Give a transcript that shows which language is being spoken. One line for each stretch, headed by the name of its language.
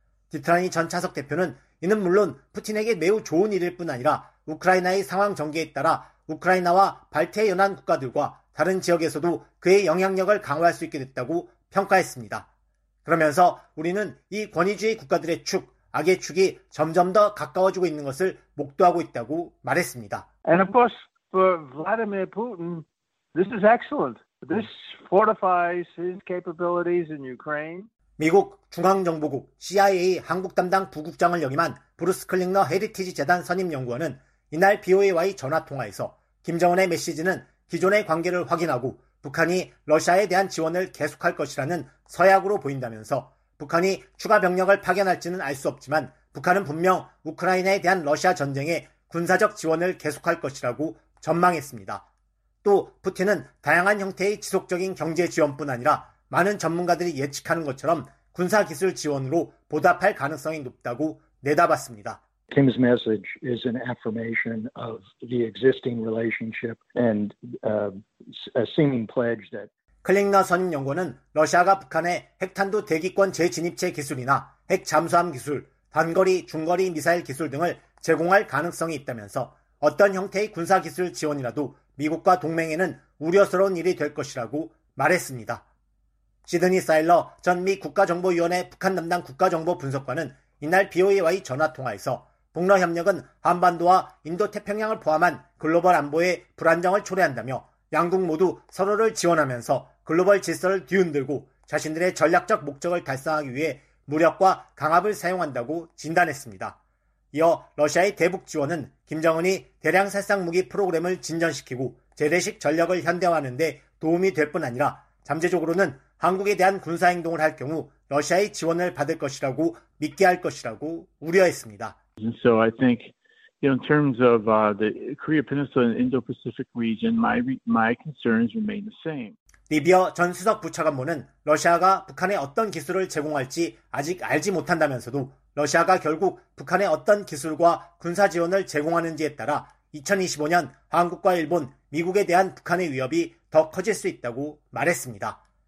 Korean: 디트라니 전 차석 대표는 이는 물론 푸틴에게 매우 좋은 일일 뿐 아니라 우크라이나의 상황 전개에 따라 우크라이나와 발트해 연안 국가들과 다른 지역에서도 그의 영향력을 강화할 수 있게 됐다고 평가했습니다. 그러면서 우리는 이 권위주의 국가들의 축, 악의 축이 점점 더 가까워지고 있는 것을 목도하고 있다고 말했습니다.
English: And of course, for Vladimir Putin, this is excellent. This fortifies his capabilities in Ukraine.
Korean: 미국 중앙정보국 CIA 한국 담당 부국장을 역임한 브루스 클링너 헤리티지 재단 선임 연구원은 이날 BOA와의 전화통화에서 김정은의 메시지는 기존의 관계를 확인하고 북한이 러시아에 대한 지원을 계속할 것이라는 서약으로 보인다면서 북한이 추가 병력을 파견할지는 알 수 없지만 북한은 분명 우크라이나에 대한 러시아 전쟁에 군사적 지원을 계속할 것이라고 전망했습니다. 또 푸틴은 다양한 형태의 지속적인 경제 지원뿐 아니라 많은 전문가들이 예측하는 것처럼 군사기술 지원으로 보답할 가능성이 높다고 내다봤습니다.
English: Kim's message is an affirmation of the existing relationship and a seeming pledge that
Korean: 클링너 선임 연구원은 러시아가 북한의 핵탄두 대기권 재진입체 기술이나 핵 잠수함 기술, 단거리, 중거리 미사일 기술 등을 제공할 가능성이 있다면서 어떤 형태의 군사 기술 지원이라도 미국과 동맹에는 우려스러운 일이 될 것이라고 말했습니다. 시드니 사일러 전 미 국가정보위원회 북한 담당 국가정보 분석관은 이날 BOA와의 전화 통화에서 북러 협력은 한반도와 인도 태평양을 포함한 글로벌 안보의 불안정을 초래한다며 양국 모두 서로를 지원하면서 글로벌 질서를 뒤흔들고 자신들의 전략적 목적을 달성하기 위해 무력과 강압을 사용한다고 진단했습니다. 이어 러시아의 대북 지원은 김정은이 대량 살상 무기 프로그램을 진전시키고 재래식 전력을 현대화하는 데 도움이 될 뿐 아니라 잠재적으로는 한국에 대한 군사 행동을 할 경우 러시아의 지원을 받을 것이라고 믿게 할 것이라고 우려했습니다.
English: And so I think, you know, in terms of the Korea Peninsula and Indo-Pacific region, my concerns remain the same.
Korean: 리비어 전 수석 부차관보는 러시아가 북한에 어떤 기술을 제공할지 아직 알지 못한다면서도 러시아가 결국 북한에 어떤 기술과 군사 지원을 제공하는지에 따라 2025년 한국과 일본, 미국에 대한 북한의 위협이 더 커질 수 있다고 말했습니다.